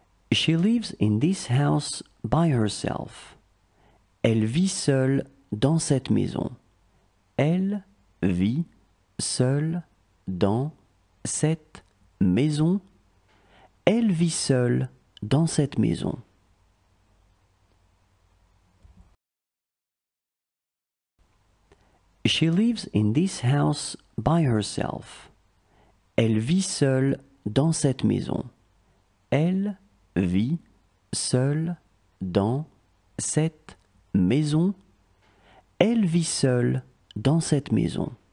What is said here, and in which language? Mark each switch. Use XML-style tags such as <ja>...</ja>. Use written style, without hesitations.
<en>She lives in this house by herself.</en> <fr>Elle vit seule dans cette maison. Elle vit seule dans cette maison. Elle vit seule dans cette maison.</fr> <en>She lives in this house by herself.</en> <fr>Elle vit seule dans cette maison. Elle vit seule dans cette maison. Elle vit seule dans cette maison.</fr>